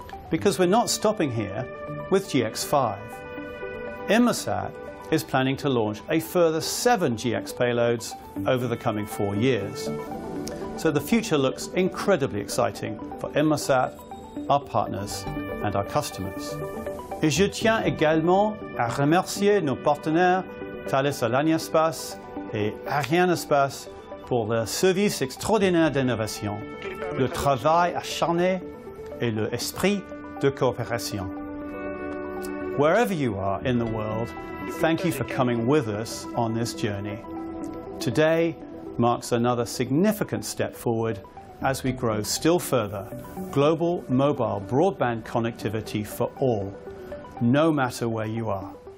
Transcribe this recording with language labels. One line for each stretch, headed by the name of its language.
English: Because we're not stopping here with GX5. Inmarsat is planning to launch a further seven GX payloads over the coming 4 years. So the future looks incredibly exciting for Inmarsat, our partners, and our customers.
French: Et je tiens également à remercier nos partenaires Thales Arianespace et Arianespace pour leur service extraordinaire d'innovation, le travail acharné et l'esprit de coopération.
English: Wherever you are in the world, thank you for coming with us on this journey. Today marks another significant step forward as we grow still further global mobile broadband connectivity for all, no matter where you are.